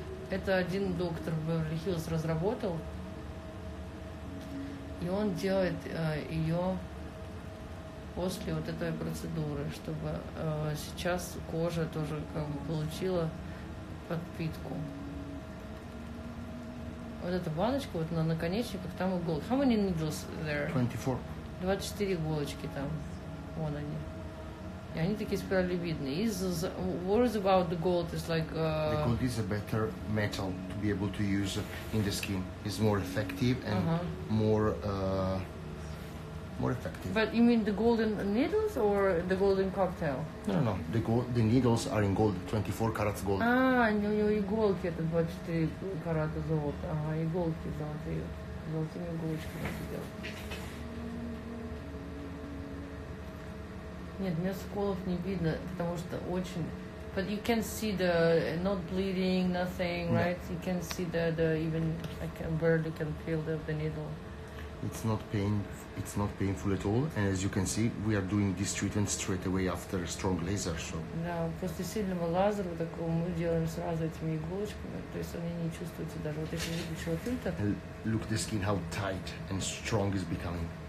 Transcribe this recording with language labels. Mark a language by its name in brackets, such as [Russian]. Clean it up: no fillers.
[Russian] Это один доктор в Беверли-Хиллз разработал, и он делает ее после вот этой процедуры, чтобы сейчас кожа тоже как бы получила подпитку. Вот эта баночка, вот на наконечниках, там иголки. [English] How many needles there? 24. [Russian] 24 иголочки там. Вон они. И они такие спиралевидные. [English] What is about the gold? It's like... The gold is a better metal to be able to use in the skin. It's more effective and more effective. But you mean the golden needles or the golden cocktail? No. The needles are in gold, 24 carats gold. [Russian] Иголки это 24 карата золота. Ага, иголки золотые. Золотыми иголочками это делать. Нет, мне сколов не видно, потому что очень... [English] But you can see the... Not bleeding, nothing, right? No. You can see the even... I can barely can feel the needle. It's not pain. It's not painful at all, and as you can see, we are doing this treatment straight away after a strong laser. So. [Russian] Да, после сильного лазера такого мы делаем сразу этими иголочками, то есть они не чувствуются даже. Вот если выключил фильтр. [English] Look the skin how tight and strong is becoming.